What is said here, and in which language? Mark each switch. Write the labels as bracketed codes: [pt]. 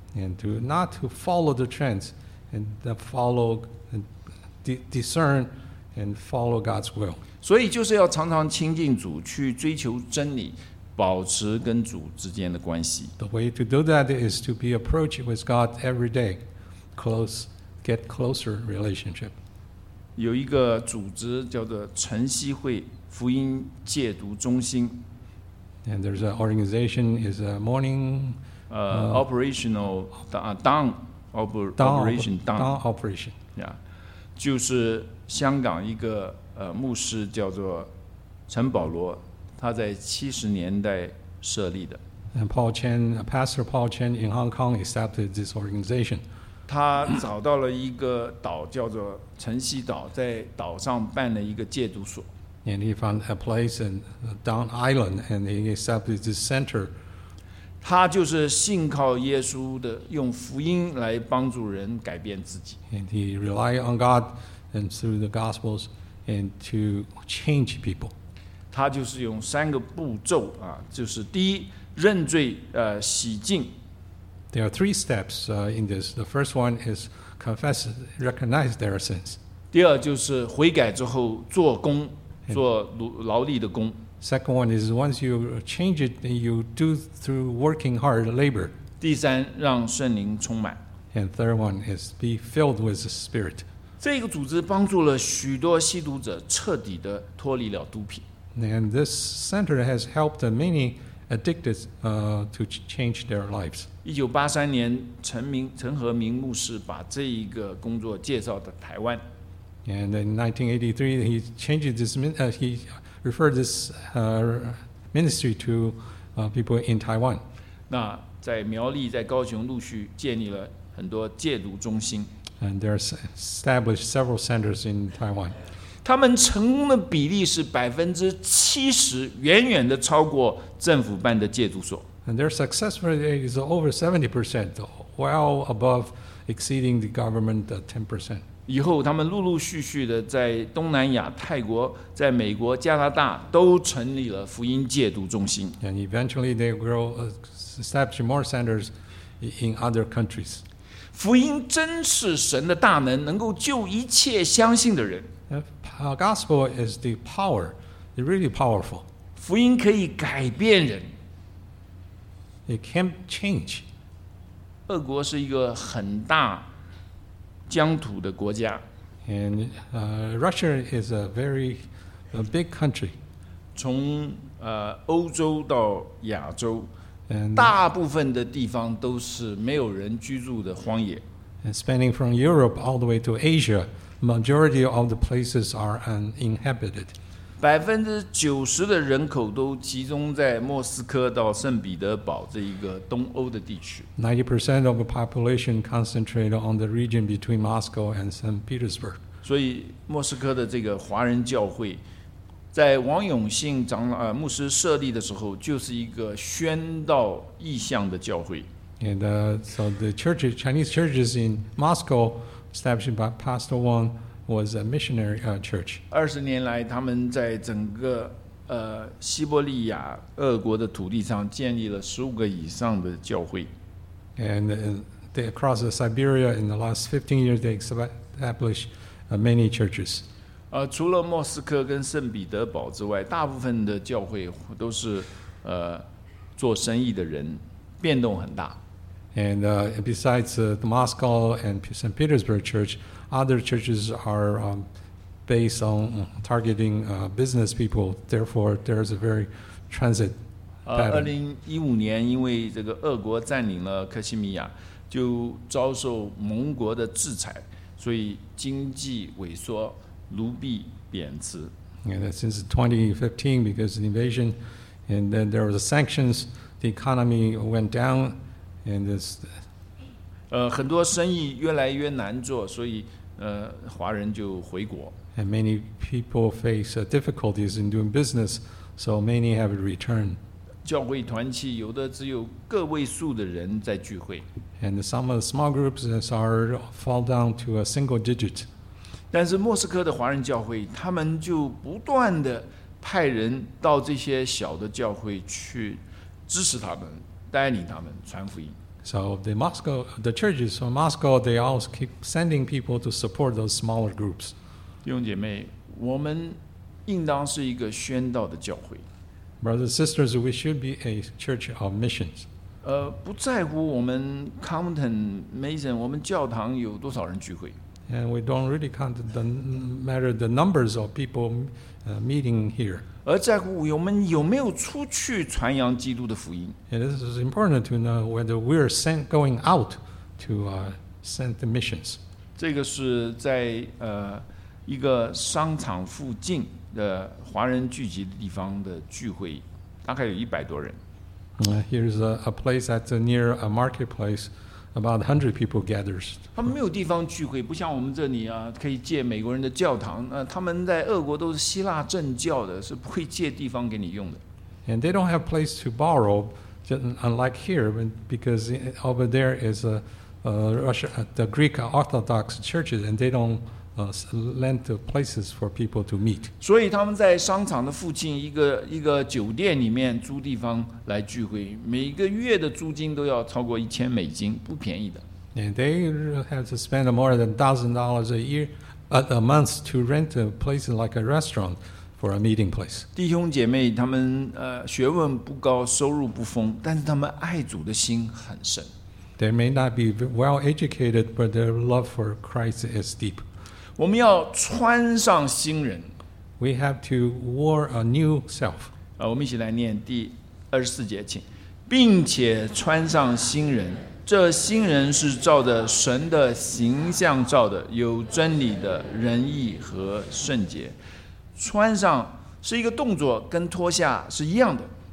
[en] And to not to follow the trends, and to follow, and discern, and follow God's will. [zh] 所以就是要常常亲近主，去追求真理，保持跟主之间的关系。 [en] The way to do that is to be approached with God every day, close, get closer relationship. [zh] 有一个组织叫做晨曦会福音戒读中心。 [en] And there's an organization is a morning. Operation. [zh] Yeah, 就是香港一个牧师叫做陈保罗，他在70年代设立的。 [en] And Paul Chen, Pastor Paul Chen in Hong Kong established this organization. [zh] 他找到了一个岛叫做晨曦岛，在岛上办了一个戒毒所。 [en] And he found a place in Down Island, and he established this center. [zh] 他就是信靠耶稣的，用福音来帮助人改变自己。 [en] And he relied on God and through the Gospels and to change people. [zh] 他就是用三个步骤啊，就是第一，认罪，洗净。 [en] There are three steps in this. The first one is confess, recognize their sins. [zh] 第二就是悔改之后做工，做劳力的工。 [en] Second one is once you change it, then you do through working hard labor. [zh] 第三，让圣灵充满。 [en] And third one is be filled with the Spirit. [zh] 这个组织帮助了许多吸毒者彻底的脱离了毒品。 [en] And this center has helped many addicted to change their lives. [zh] 1983年，陈和明牧师把这一个工作介绍到台湾。 [en] And in 1983, he referred this ministry to people in Taiwan. [zh] 那在苗栗、在高雄陆续建立了很多戒毒中心。 [en] And there are established several centers in Taiwan. [zh] 他们成功的比例是70%，远远的超过政府办的戒毒所。 [en] And their success rate is over 70%, well above exceeding the government 10%. [zh] 以后他们陆陆续续的在东南亚、泰国、在美国、加拿大都成立了福音戒毒中心。 [en] And eventually they grow establish more centers in other countries. [zh] 福音真是神的大能，能够救一切相信的人。 [en] Gospel is the power, really powerful. [zh] 福音可以改变人。 [en] It can change. [zh] 俄国是一个很大疆土的国家。 [en] And Russia is a very big country. [zh] 从欧洲到亚洲。 [en] And, [zh] 大部分的地方都是没有人居住的荒野。 [en] And spanning from Europe all the way to Asia, majority of the places are uninhabited. [zh] 90% 的人口都集中在莫斯科到圣彼得堡这一个东欧的地区。 [en] 90% of the population concentrated on the region between Moscow and St. Petersburg. [zh] 所以莫斯科的这个华人教会在王永信长老牧师设立的时候，就是一个宣道异象的教会。 [en] And so the churches, Chinese churches in Moscow, established by Pastor Wang, was a missionary church. [zh] 二十年来，他们在整个西伯利亚俄国的土地上建立了15个以上的教会。 [en] And they across the Siberia in the last 15 years, they established many churches. [zh] 除了莫斯科跟圣彼得堡之外，大部分的教会都是做生意的人，变动很大。 [en] And besides the Moscow and St. Petersburg Church, other churches are based on targeting business people. Therefore, there is a very transit pattern. [zh] 2015年，因为这个俄国占领了克什米亚，就遭受盟国的制裁，所以经济萎缩。卢币贬值。 [en] And since 2015, because of the invasion, and then there was sanctions, the economy went down, and this. [zh] 很多生意越来越难做，所以华人就回国。 [en] And many people face difficulties in doing business, so many have returned. [zh] 教会团契有的只有个位数的人在聚会。 [en] And some of the small groups are fall down to a single digit. [zh] 但是莫斯科的华人教会，他们就不断的派人到这些小的教会去支持他们，带领他们传福音。 [en] So the Moscow, the churches from Moscow, they always keep sending people to support those smaller groups. [zh] 弟兄姐妹，我们应当是一个宣道的教会。 [en] Brothers and sisters, we should be a church of missions. [zh] 不在乎我们 Compton Mason, 我们教堂有多少人聚会。 [en] And we don't really count the matter the numbers of people meeting here. [zh] 而在乎我们有没有出去传扬基督的福音。 [en] And this is important to know whether we are sent going out to send the missions. [zh] 这个是在一个商场附近的华人聚集的地方的聚会，大概有100多人。 [en] Here's a place that's near a marketplace. About 100 people gathers. [zh] 他们没有地方聚会，不像我们这里啊，可以借美国人的教堂。他们在俄国都是希腊正教的，是不会借地方给你用的。 [en] And they don't have place to borrow, unlike here, because over there is a Russia, the Greek Orthodox churches, and they don't lend the places for people to meet. [zh] 所以他们在商场的附近一个酒店里面租地方来聚会，每个月的租金都要超过$1,000，不便宜的。 [en] And they have to spend more than $1,000 a month to rent a place like a restaurant for a meeting place. [zh] 弟兄姐妹，他们学问不高，收入不丰，但是他们爱主的心很深。 [en] They may not be well educated, but their love for Christ is deep. [zh] 我们要穿上新人。 [en] We have to wear a new self. [zh] 我们一起来念第24节，请，并且穿上新人。这新人是照着神的形象造的，有真理的仁义和圣洁。穿上是一个动作，跟脱下是一样的。